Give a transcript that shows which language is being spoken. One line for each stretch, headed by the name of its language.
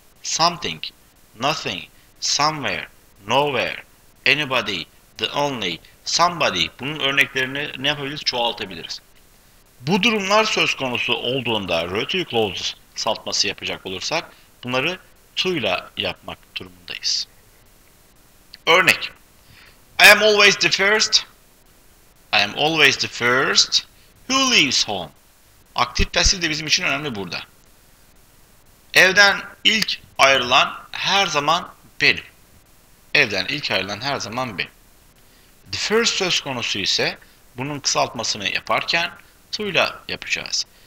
English: Something, nothing, somewhere, nowhere, anybody, the only, somebody.
Turkish: Bunun örneklerini ne yapabiliriz? Çoğaltabiliriz. Bu durumlar söz konusu olduğunda relative clause kısaltması yapacak olursak bunları to ile yapmak durumundayız. Örnek.
English: I am always the first. I am always the first who leaves home.
Turkish: Aktif pasif de bizim için önemli burada. Evden ilk ayrılan her zaman benim. Evden ilk ayrılan her zaman benim. The first söz konusu ise bunun kısaltmasını yaparken to ile yapacağız.